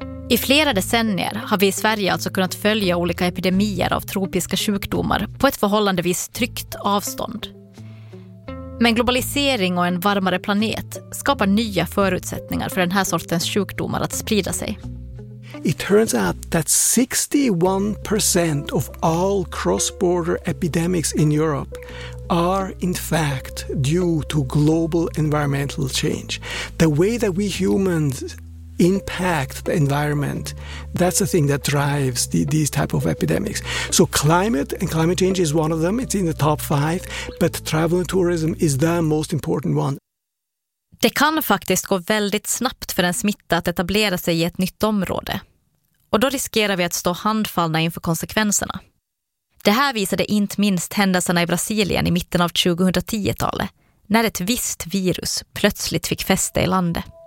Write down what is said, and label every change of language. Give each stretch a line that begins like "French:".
Swedish: I flera decennier har vi i Sverige alltså kunnat följa olika epidemier av tropiska sjukdomar på ett förhållandevis tryggt avstånd. Men globalisering och en varmare planet skapar nya förutsättningar för den här sortens sjukdomar att sprida sig.
English: It turns out that 61% of all cross-border epidemics in Europe are in fact due to global environmental change. The way that we humans impact the environment, that's the thing that drives these type of epidemics. So climate and climate change is one of them, it's in the top five, but travel and tourism is the most important one.
Swedish: Det kan faktiskt gå väldigt snabbt för en smitta att etablera sig i ett nytt område. Och då riskerar vi att stå handfallna inför konsekvenserna. Det här visade inte minst händelserna i Brasilien i mitten av 2010-talet, när ett visst virus plötsligt fick fäste i landet.